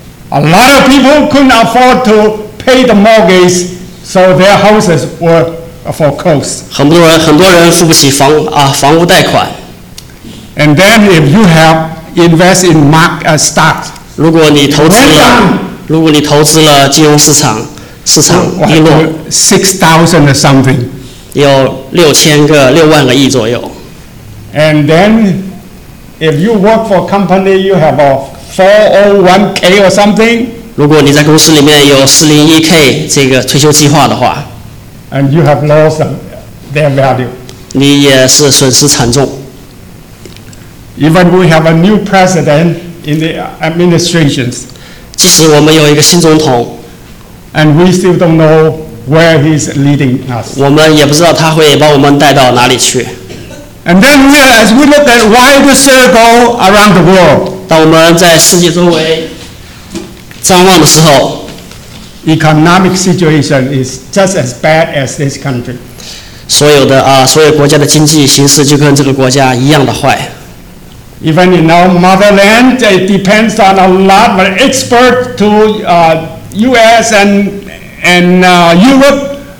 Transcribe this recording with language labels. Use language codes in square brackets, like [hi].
[en] A lot of people couldn't afford to pay the mortgage, so their houses were foreclosed. [zh] 很多人付不起房屋贷款。 [en] And then if you have invest in market stocks, [zh] 如果你投资了金融市场，市场一落 [en] 6,000 or something. [zh] 有六万个亿左右。 [en] And then if you work for a company, you have a 401k or something. [zh] 如果你在公司里面有401k 这个退休计划的话, [en] and you have lost their value. [zh] 你也是损失惨重。 [en] Even we have a new president in the administrations. [zh] 即使我们有一个新总统, [en] and we still don't know where he's leading us. [zh] 我们也不知道他会把我们带到哪里去。 [en] And then we, as we look at wide circle around the world, [zh] 当我们在世界周围张望的时候, [en] economic situation is just as bad as this country. [zh] 所有国家的经济形势就跟这个国家一样的坏。 [en] Even in our motherland, it depends on a lot of exports to US and Europe.